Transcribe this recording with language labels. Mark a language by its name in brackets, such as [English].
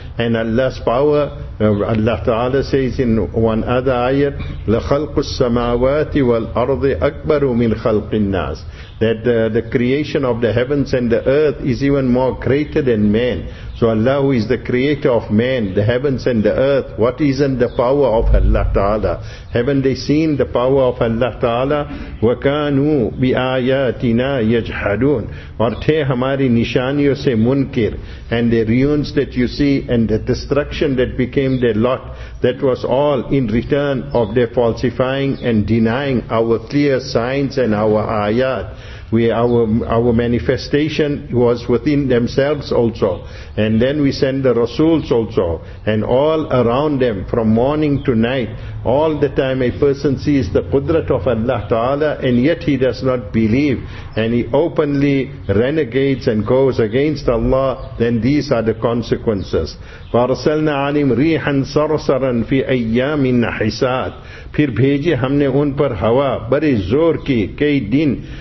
[English] And Allah's power, Allah Ta'ala says in one other ayat, [Arabic] لَخَلْقُ السَّمَاوَاتِ وَالْأَرْضِ أَكْبَرُ مِنْ خَلْقِ النَّاسِ [English] That the creation of the heavens and the earth is even more greater than man. So Allah, who is the creator of man, the heavens and the earth, what isn't the power of Allah Ta'ala? Haven't they seen the power of Allah Ta'ala? [Arabic] وَكَانُوا بِآيَاتِنَا يَجْحَدُونَ [Urdu] اور تھے ہماری نشانیوں سے منکر. [English] And the ruins that you see and the destruction that became their lot, that was all in return of their falsifying and denying our clear signs and our ayat. Our manifestation was within themselves also. And then we send the Rasuls also. And all around them, from morning to night, all the time a person sees the Qudrat of Allah Ta'ala, and yet he does not believe, and he openly renegades and goes against Allah, then these are the consequences. [Arabic] فَارْسَلْنَا عَلِمْ رِيحًا صَرْصَرًا فِي أَيَّامٍ نَحِسَاتٍ [Urdu] پھر بھیجے ہم نے ان پر ہوا بڑے زور کی کئی دن.